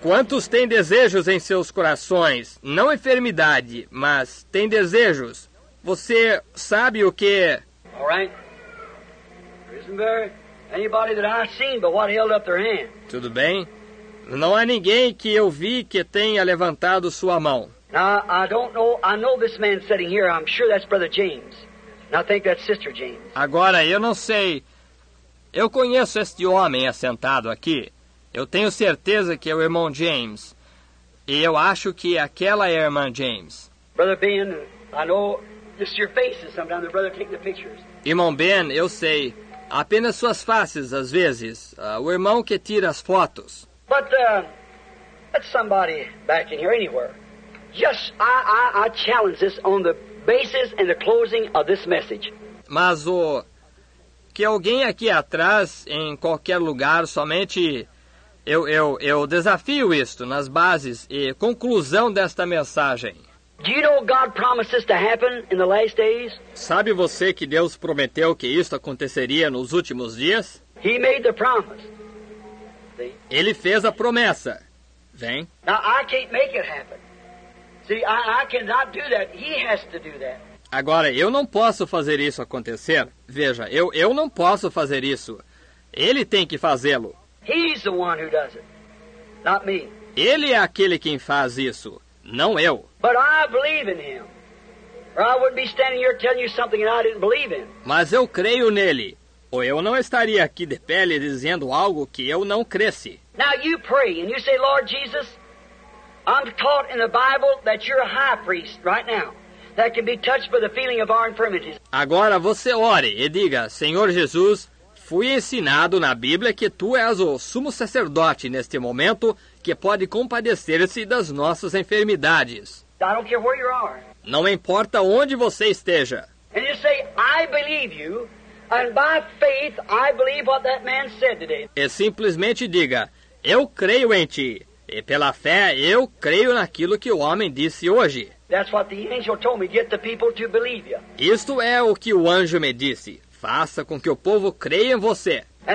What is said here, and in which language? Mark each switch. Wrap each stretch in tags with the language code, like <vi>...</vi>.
<pt>Quantos têm desejos em seus corações? Não enfermidade, mas têm desejos. Você sabe o que?</pt> <en>All right. Anybody that I've seen but what held up their hand.</en> <pt>Tudo bem. Não há ninguém que eu vi que tenha levantado sua mão.</pt> <en>Now, I don't know. I know this man sitting here. I'm sure that's Brother James. And I think that's Sister James.</en> <pt>Agora, eu não sei. Eu conheço este homem assentado aqui. Eu tenho certeza que é o irmão James. E eu acho que aquela é a irmã James.</pt> <en>Brother Ben, I know just your faces sometimes. The brother take the pictures.</en> <pt>Irmão Ben, eu sei. Apenas suas faces, às vezes. O irmão que tira as fotos.</pt> <en>But that's somebody back in here anywhere. Just I challenge this on the basis and the closing of this message.</en> <pt>Mas o que alguém aqui atrás, em qualquer lugar, somente eu desafio isto nas bases e conclusão desta mensagem.</pt> <en>Do you know God promises to happen in the last days?</en> <pt>Sabe você que Deus prometeu que isto aconteceria nos últimos dias?</pt> <en>He made the promise. See?</en> <pt>Ele fez a promessa. Vem.</pt> <en>Now I can't make it happen. See, I cannot do that. He has to do that.</en> <pt>Agora eu não posso fazer isso acontecer. Veja, eu não posso fazer isso. Ele tem que fazê-lo.</pt> <en>He's the one who does it, not me.</en> <pt>Ele é aquele quem faz isso. Não eu.</pt> <en>But I believe in him. Or I wouldn't be standing here telling you something that I didn't believe in.</en> <pt>Mas eu creio nele. Ou eu não estaria aqui de pé lhe dizendo algo que eu não cresse.</pt> <en>Now you pray and you say, Lord Jesus, I'm taught in the Bible that you're a high priest right now that can be touched by the feeling of our infirmities.</en> <pt>Agora você ore e diga, Senhor Jesus, fui ensinado na Bíblia que tu és o sumo sacerdote neste momento que pode compadecer-se das nossas enfermidades.</pt> <en>I don't care where you are.</en> <pt>Não importa onde você esteja.</pt> <en>And you say, I believe you, and by faith I believe what that man said today.</en> <pt>E simplesmente diga, eu creio em ti, e pela fé eu creio naquilo que o homem disse hoje.</pt> <en>That's what the angel told me, get the people to believe you.</en> <pt>Isto é o que o anjo me disse. Faça com que o povo creia em você.</pt>